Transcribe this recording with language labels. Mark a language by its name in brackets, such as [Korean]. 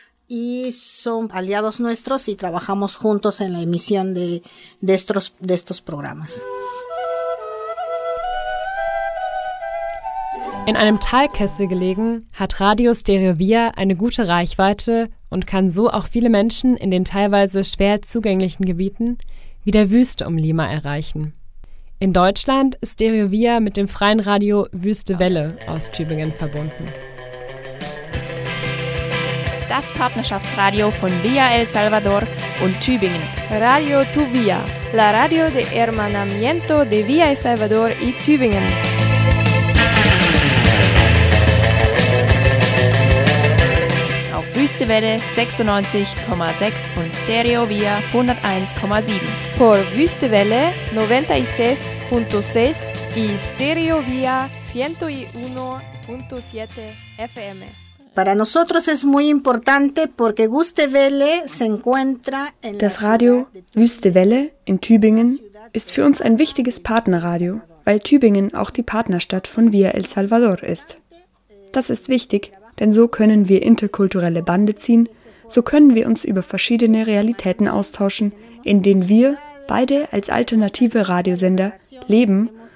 [Spanish] Y son aliados nuestros y trabajamos juntos en la emisión de estos programas. [German] In einem Talkessel gelegen, hat Radio Estéreo Villa eine gute Reichweite und kann so auch viele Menschen in den teilweise schwer zugänglichen Gebieten wie der Wüste um Lima erreichen. In Deutschland ist Estéreo Villa mit dem freien Radio Wüstewelle aus Tübingen verbunden. Das Partnerschaftsradio von Villa El Salvador und Tübingen. [Spanish] Radio Tuvia, la radio de hermanamiento de Villa El Salvador y Tübingen. [German] Auf Wüstewelle 96,6 und Estéreo Villa 101,7. [Spanish] Por Wüstewelle 96.6 y Estéreo Villa 101.7 FM. Para nosotros es muy importante porque Wüstewelle se encuentra en [German] Das Radio Wüstewelle in Tübingen ist für uns ein wichtiges Partnerradio, weil Tübingen auch die Partnerstadt von Villa El Salvador ist. Das ist wichtig, denn so können wir interkulturelle Bande ziehen, so können wir uns über verschiedene Realitäten austauschen, in denen wir beide als alternative Radiosender leben.